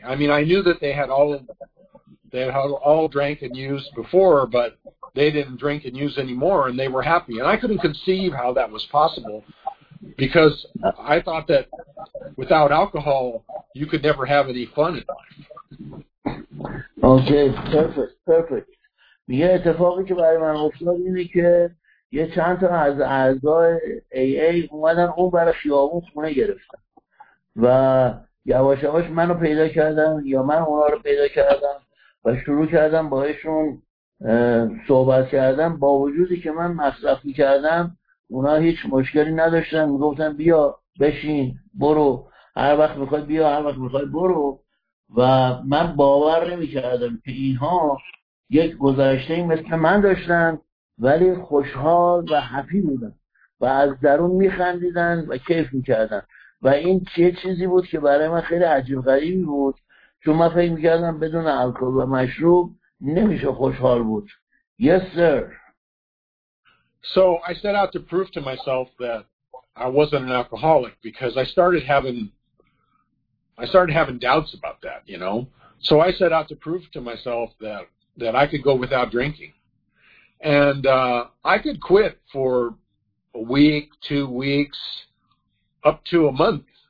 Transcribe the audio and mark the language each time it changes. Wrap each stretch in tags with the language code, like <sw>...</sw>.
<en>I mean, I knew that they had all drank and used before, but they didn't drink and use anymore, and they were happy. And I couldn't conceive how that was possible, because I thought that without alcohol, you could never have any fun in life. Okay, perfect.</en> <fa>یه اتفاقی که برای من افتاد اینه که یه چند تا از اعضای AA اومدن اون برای خیابون خونه گرفتن و یواش یواش منو پیدا کردن یا من اونا رو پیدا کردم و شروع کردم باهاشون صحبت کردم. با وجودی که من مصرف می‌کردم اونا هیچ مشکلی نداشتن، میگفتن بیا بشین برو هر وقت می‌خوای بیا هر وقت می‌خوای برو. و من باور نمی‌کردم که اینها یک گذشته مثل من داشتن، ولی خوشحال و هپی بودن و از درون میخندیدن و کیف میکردن و این چه چیزی بود که برای من خیلی عجیب غریبی بود، چون من فکر میکردم بدون الکل و مشروب نمیشه خوشحال بود.</fa> <en>Yes sir. So I set out to prove to myself that I wasn't an alcoholic, because I started having doubts about that, you know. So I set out to prove to myself that I could go without drinking. And I could quit for a week, 2 weeks, up to a month.</en>